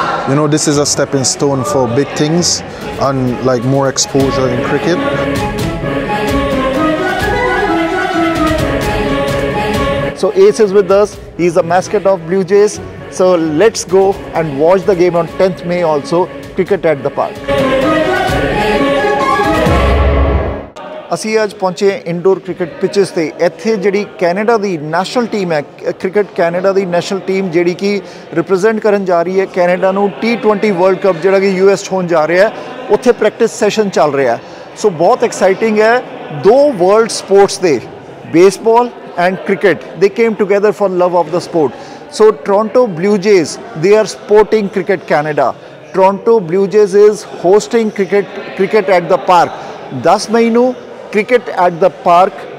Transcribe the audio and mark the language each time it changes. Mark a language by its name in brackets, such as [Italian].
[English] You know, this is a stepping stone for big things and like more exposure in cricket. So Ace is with us. He's the mascot of Blue Jays. So let's go and watch the game on 10th May also. Cricket at the Park. [Punjabi] ਅਸੀਂ ਅੱਜ ਪਹੁੰਚੇ indoor cricket ਪਿਚਸ ਤੇ ਇੱਥੇ ਜਿਹੜੀ Canada ਦੀ national team ਹੈ cricket Canada ਦੀ national team ਜਿਹੜੀ ਕਿ represent ਕਰਨ ਜਾ ਰਹੀ ਹੈ ਕੈਨੇਡਾ ਨੂੰ T20 ਵਰਲਡ ਕੱਪ ਜਿਹੜਾ ਕਿ US ਹੋਣ ਜਾ ਰਿਹਾ ਉੱਥੇ ਪ੍ਰੈਕਟਿਸ ਸੈਸ਼ਨ ਚੱਲ ਰਿਹਾ ਸੋ ਬਹੁਤ ਐਕਸਾਈਟਿੰਗ ਹੈ ਦੋ ਵਰਲਡ ਸਪੋਰਟਸ ਦੇ ਬੇਸਬਾਲ ਐਂਡ ਕ੍ਰਿਕਟ ਦੇ [English] came together for love of the sport [Punjabi] so Toronto blue ਜੇਸ [English] they are sporting [Punjabi] cricket Canada [English] Toronto Blue Jays is hosting cricket at the park. 10 Mainu, cricket at the park.